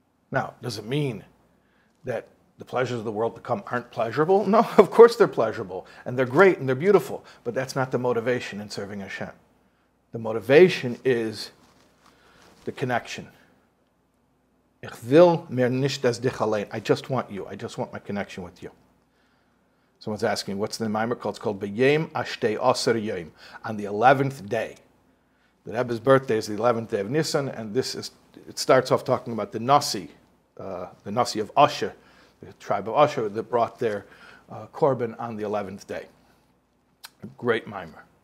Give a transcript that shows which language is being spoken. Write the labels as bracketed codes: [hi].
[en] Now, does it mean that the pleasures of the world to come aren't pleasurable? No, of course they're pleasurable, and they're great, and they're beautiful, but that's not the motivation in serving Hashem. The motivation is the connection. [de] Ich will mir nicht das dich allein. [en] I just want you. I just want my connection with you. Someone's asking, what's the Maimer called? It's called B'yem Ashtei Oser Yom, on the 11th day. The Rebbe's birthday is the 11th day of Nisan, and this is, it starts off talking about the Nasi of Asher, the tribe of Asher that brought their Korban on the 11th day. A great mimer.